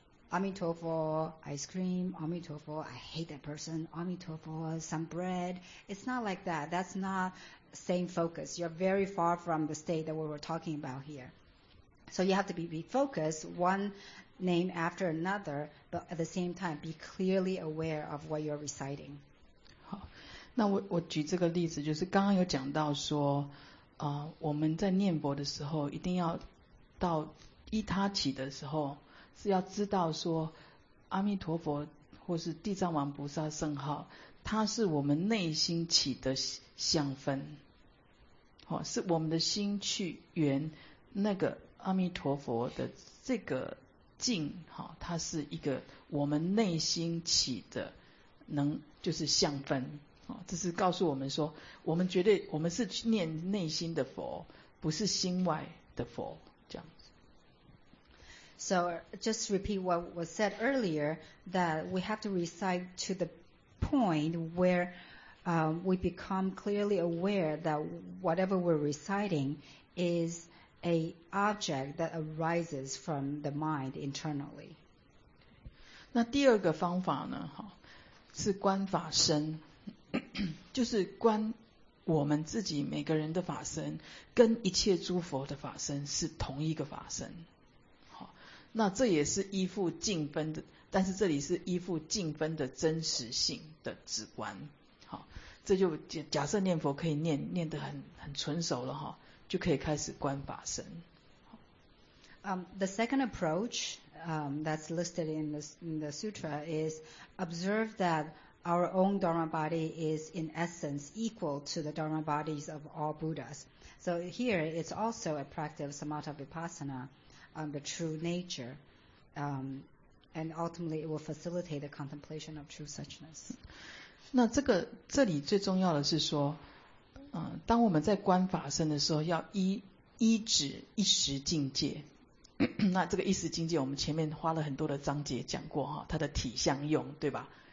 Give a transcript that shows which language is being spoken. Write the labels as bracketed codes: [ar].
[en] Amitofo, ice cream, Amitofo, I hate that person, Amitofo, some bread. It's not like that. That's not same focus. You're very far from the state that we were talking about here. So you have to be focused, one name after another, but at the same time, be clearly aware of what you're reciting. [zh] 好，那我举这个例子，就是刚刚有讲到说，我们在念佛的时候，一定要到依他起的时候，是要知道说阿弥陀佛或是地藏王菩萨圣号，它是我们内心起的相分、哦、是我们的心去圆那个阿弥陀佛的这个境、哦、它是一个我们内心起的能，就是相分、哦、这是告诉我们说我们绝对，我们是念内心的佛，不是心外的佛。 [en] So just repeat what was said earlier, that we have to recite to the point where we become clearly aware that whatever we're reciting is an object that arises from the mind internally. [zh] 那第二个方法呢，是观法身，就是观我们自己每个人的法身跟一切诸佛的法身是同一个法身。那这也是依附净分的，但是这里是依附净分的真实性的止观。好，这就假设念佛可以念得很纯熟了哈，就可以开始观法身。 [en] The second approach that's listed in the sutra is observe that our own dharma body is in essence equal to the dharma bodies of all Buddhas. So here it's also a practice of samatha vipassana.On the true nature, And ultimately, it will facilitate the contemplation of true suchness. [zh] 那这个这里最重要的是说，当我们在观法身的时候，要依止一时境界。那这个一时境界，我们前面花了很多的章节讲过哈，它的体相用，对吧？